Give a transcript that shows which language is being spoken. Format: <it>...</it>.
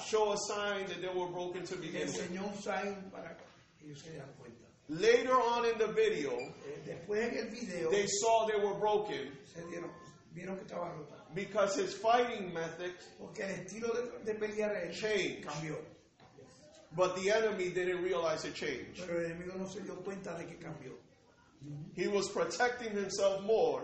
<en>show a sign that they were broken to begin</en> <es>el</es> <en>with.</en> <es>Un sign para que ellos se dieran cuenta.</es> <en>Later on in the video,</en> <es>después en el video,</es> <en>they saw they were broken</en> <es>se dieron, vieron que estaba rota.</es> <en>Because his fighting method</en> <es>porque el estilo de pelear él</es> <en>changed.</en> <es>Cambió.</es> <en>But the enemy didn't realize it changed.</en> <es>Pero el enemigo no se dio cuenta de que cambió.</es> <en>He was protecting himself more</en>